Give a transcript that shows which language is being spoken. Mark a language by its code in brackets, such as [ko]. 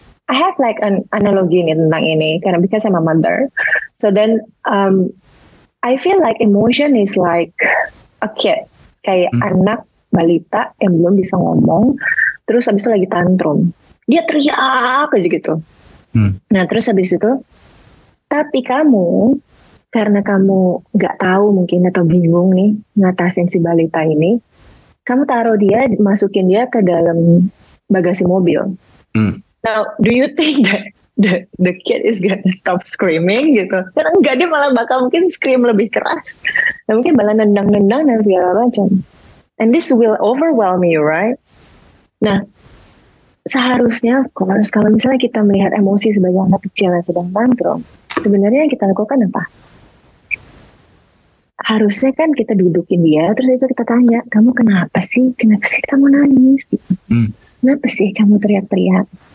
[en] I have like an analogy [id] nih tentang ini, karena [en] because I'm a mother, so then I feel like emotion is like a kid, [id] kayak anak balita yang belum bisa ngomong, terus abis itu lagi tantrum, dia teriak aja gitu. Nah terus abis itu, tapi kamu, karena kamu gak tahu mungkin atau bingung nih ngatasin si balita ini, kamu taruh dia, masukin dia ke dalam bagasi mobil. [en] Now, do you think that the kid is gonna stop screaming gitu? [id] Karena enggak, dia malah bakal mungkin scream lebih keras. Dan mungkin malah nendang-nendang dan segala macam. [en] And this will overwhelm you, right? [id] Nah, seharusnya kalau misalnya kita melihat emosi sebagai anak kecil yang sedang tantrum, sebenarnya yang kita lakukan apa? Harusnya kan kita dudukin dia, terus itu kita tanya, kamu kenapa sih? Kenapa sih kamu nangis? Kenapa sih kamu teriak-teriak?